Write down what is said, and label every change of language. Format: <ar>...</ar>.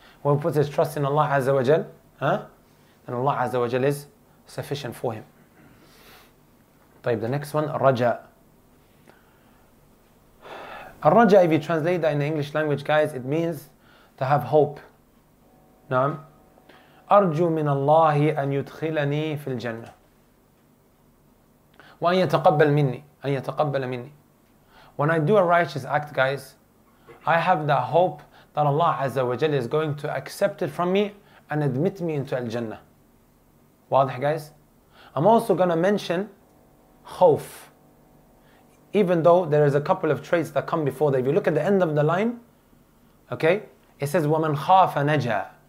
<en>When he puts his trust in Allah Azza wa Jal, then Allah Azza wa Jal is sufficient for him.</en> <ar>طيب,</ar> <en>the next one, رجاء. الرجاء, if you translate that in the English language, guys, it means to have hope.</en> <ar>نعم. أرجو من الله أن يدخلني في الجنة وأن يتقبل مني أن يتقبل مني.</ar> <en>When I do a righteous act, guys, I have that hope that Allah Azza wa Jalla is going to accept it from me and admit me into الجنة.</en> <ar>واضح,</ar> <en>guys? I'm also going to mention خوف, even though there is a couple of traits that come before that. If you look at the end of the line, okay, it says</en> <ar>وَمَنْ خَافَ نَجَى.</ar>